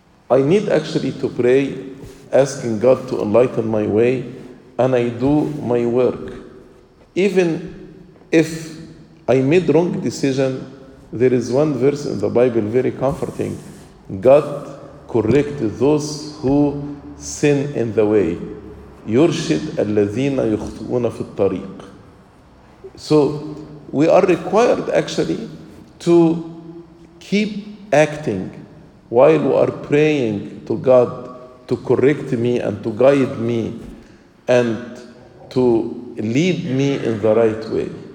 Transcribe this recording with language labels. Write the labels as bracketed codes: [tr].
[en] I need actually to pray, asking God to enlighten my way, and I do my work. Even if I made wrong decision, there is one verse in the Bible very comforting. God corrects those who sin in the way. [ar] يرشد الذين يخطئون في الطريق. [en] So we are required actually to keep acting while we are praying to God to correct me and to guide me and to lead me in the right way.